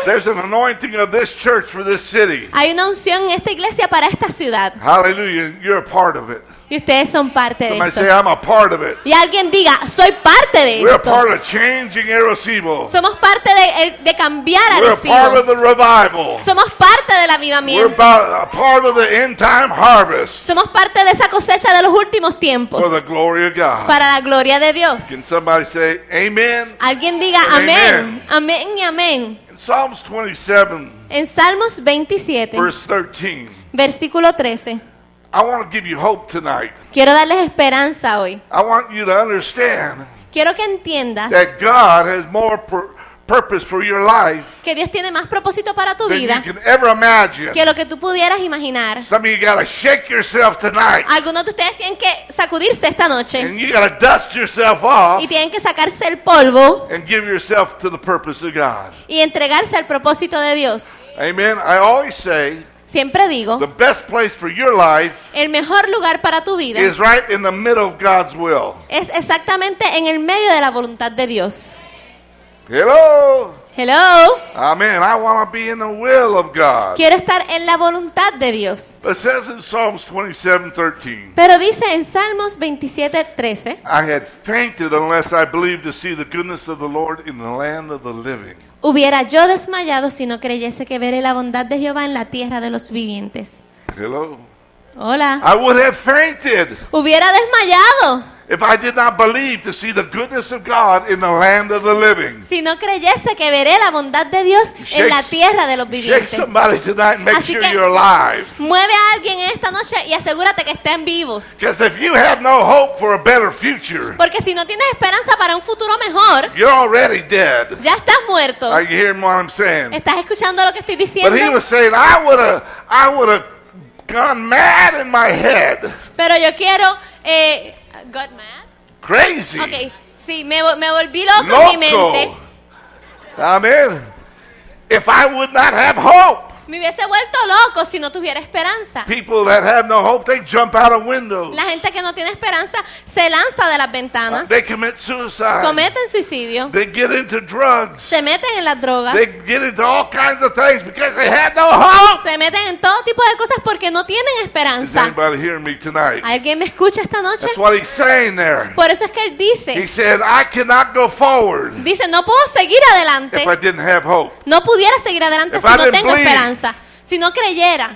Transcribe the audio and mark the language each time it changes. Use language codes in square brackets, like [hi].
[en] There's an anointing of this church for this city. [es] Hay una unción en esta iglesia para esta ciudad. [en] Hallelujah, you're a part of it. [es] Y ustedes son parte [en] somebody [es] de esto. [en] Say, I'm a part of it. [es] Y alguien diga, soy parte de [en] we're [es] esto. [en] A part of changing Arecibo. [es] Somos parte de cambiar [en] Arecibo. We're a part of the revival. [es] Somos parte del avivamiento. [en] We're a part of the end time harvest. [es] Somos parte de esa cosecha de los últimos tiempos. [en] For the glory of God. [es] Para la gloria de Dios. [en] Can somebody say, amen? [es] Alguien diga, amén. Amén y amén. [en] In Psalms 27. [es] En Salmos 27. [en] Verse 13. [es] Versículo 13. [en] I want to give you hope tonight. [es] Quiero darles esperanza hoy. [en] I want you to understand. [es] Quiero que entiendas. [en] That God has more purpose for your life. [es] Que Dios tiene más propósito para tu [en] than [es] vida. [en] You can ever imagine. [es] Que lo que tú pudieras imaginar. [en] Some of you gotta shake yourself tonight. [es] Algunos de ustedes tienen que sacudirse esta noche. [en] And you gotta dust yourself off. [es] Y tienen que sacarse el polvo. [en] And give yourself to the purpose of God. [es] Y entregarse al propósito de Dios. [en] Amen. I always say. [es] Siempre digo, [en] the best place for your life, [es] el mejor lugar para tu vida, [en] is right in the middle of God's will. [es] Es exactamente en el medio de la voluntad de Dios. [en] Hello. Hello. Amen. I want to be in the will of God. [es] Quiero estar en la voluntad de Dios. [en] It says in Psalms 27:13. [es] Pero dice en Salmos 27:13. [en] I had fainted unless I believed to see the goodness of the Lord in the land of the living. [es] Hubiera yo desmayado si no creyese que veré la bondad de Jehová en la tierra de los vivientes. [en] Hello. [es] Hola. [en] I would have fainted. [es] Hubiera desmayado. [en] If I did not believe to see the goodness of God in the land of the living. [es] Si no creyese que veré la bondad de Dios en la tierra de los vivientes. [en] Shake somebody tonight and make sure you're alive. [es] Mueve a alguien esta noche y asegúrate que estén vivos. [en] Because if you have no hope for a better future. [es] Porque si no tienes esperanza para un futuro mejor. [en] You're already dead. [es] Ya estás muerto. [en] Are you hearing what I'm saying? [es] ¿Estás escuchando lo que estoy diciendo? [en] But he was saying, I would have gone mad in my head. [es] Pero yo quiero [en] got mad? Crazy. [es] Okay. Sí, me volví loco en mi mente. [en] Amen. If I would not have hope. [es] Me hubiese vuelto loco si no tuviera esperanza. [en] People that have no hope, they jump out of windows. [es] La gente que no tiene esperanza se lanza de las ventanas. [en] They commit suicide. [es] Cometen suicidio. [en] They get into drugs. [es] Se meten en las drogas. [en] They get into all kinds of things because they have no hope. [es] Se meten en todo tipo de cosas porque no tienen esperanza. [en] Is anybody hearing me tonight? [es] ¿Alguien me escucha esta noche? [en] That's what he's saying there. [es] Por eso es que él dice. [en] He said, I cannot go forward. [es] Dice, no puedo seguir adelante. [en] If I didn't have hope. [es] No pudiera seguir adelante [en] if [es] si no tengo esperanza. Si no creyera